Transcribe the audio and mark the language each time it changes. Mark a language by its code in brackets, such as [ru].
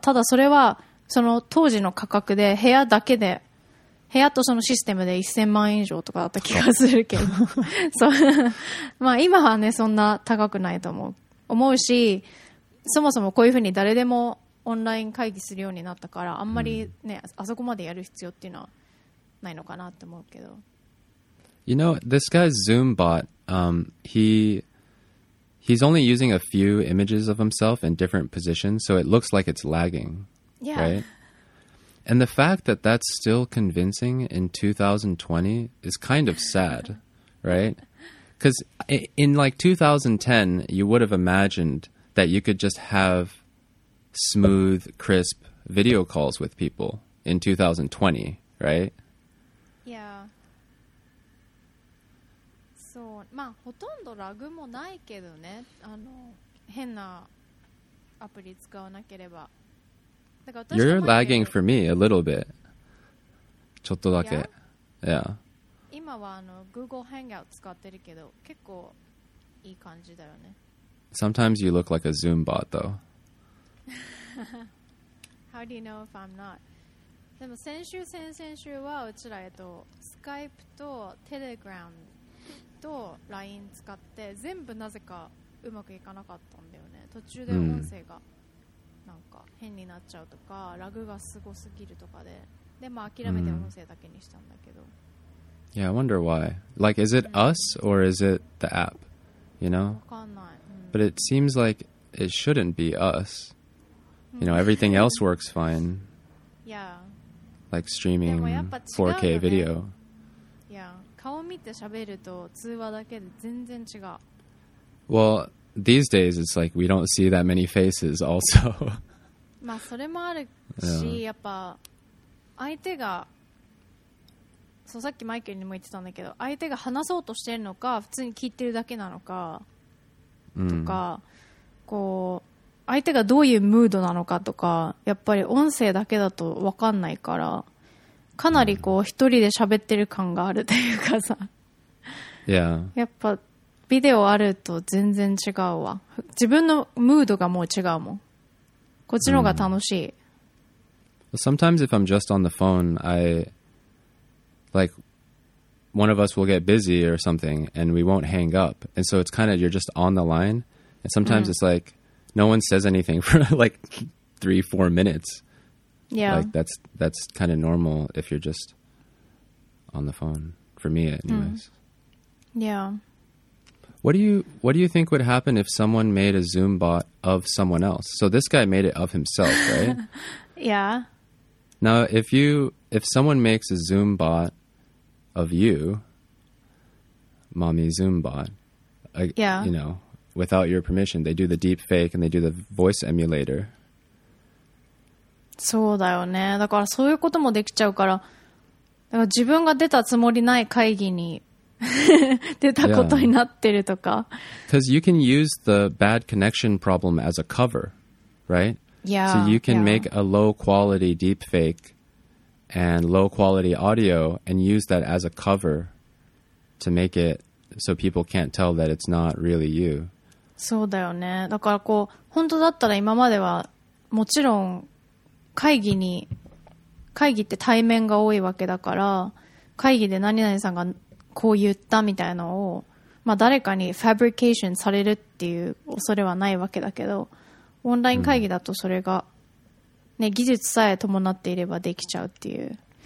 [ja] ただそれは、その当時の価格で部屋だけで部屋とそのシステムで1000万円以上とかだった気がするけどそうまあ今はねそんな高くないと思うしそもそもこういうふうに誰でもオンライン会議するようになったからあんまりね、あそこまでやる必要っていうのはないのかなって思うけど [en] You know this guy Zoom bot he's only using a few images of himself in different positions so it looks like it's lagging Yeah. Right? And the fact that that's still convincing in 2020 is kind of sad, right? Because in like 2010, you would have imagined that you could just have smooth, crisp video calls with people in 2020, right? Yeah. [ja] So, まあ、ほとんどラグもないけどね。変なアプリ使わなければ。 [en] You're lagging for me a little bit. [ja] ちょっとだけ。 [en] Yeah. [ja] 今はGoogle Hangout 使ってるけど、結構いい感じだよね。 [en] Sometimes you look like a Zoom bot, though. How do you know if I'm not? [ja] でも先週先々週はうちらスカイプとテレグラムと LINE 使って全部なぜかうまくいかなかったんだよね。途中で音声がなんか変になっちゃうとか、うん、ラグがすごすぎるとかで、でも諦めて音声だけにしたんだけど、う [en] ん、Yeah, I wonder why. Like, is it us or is it the app? You know? [ja] わかんない、うん、 [en] But it seems like it shouldn't be us. You know, everything else works fine. Yeah. Like streaming 4K video. Yeah. [ja] 顔見て喋ると通話だけで全然違う。 [en] Well, these days it's like we don't see that many faces also. [ja] まあそれもあるし、yeah. やっぱ相手が、そうさっきマイケルにも言ってたんだけど、相手が話そうとしてるのか普通に聞いてるだけなのかとか、mm. こう相手がどういうムードなのかとか、やっぱり音声だけだと分かんないから、かなりこう一人で喋ってる感があるというかさ、 [en] yeah. [ja] やっぱビデオあると全然違うわ。自分のムードがもう違うもん。こっちの方が楽しい。 [en] Sometimes if I'm just on the phone, I like one of us will get busy or something and we won't hang up. And so it's kind of you're just on the line. And sometimes it's like no one says anything for like 3-4 minutes. Yeah. Like that's kind of normal if you're just on the phone. For me, anyways. Yeah. What do you think would happen if someone made a Zoom bot of someone else? So this guy made it of himself, right? Yeah. Now, if someone makes a Zoom bot of you, mommy Zoom bot, you know, without your permission, they do the deep fake and they do the voice emulator. [ja] そうだよね。だからそういうこともできちゃうから、だから自分が出たつもりない会議に出たことになってるとか。 [en] Because you can use the bad connection problem as a cover, right? Yeah. So you can make a low quality deepfake and low quality audio and use that as a cover to make it so people can't tell that it's not really you. [ja] そうだよね。だからこう、本当だったら今まではもちろん会議って対面が多いわけだから、会議で何々さんがこう言ったみたいなのを、まあ、誰かにファブリケーションされるっていう恐れはないわけだけど、オンライン会議だとそれが、ね、技術さえ伴っていればできちゃうっていう。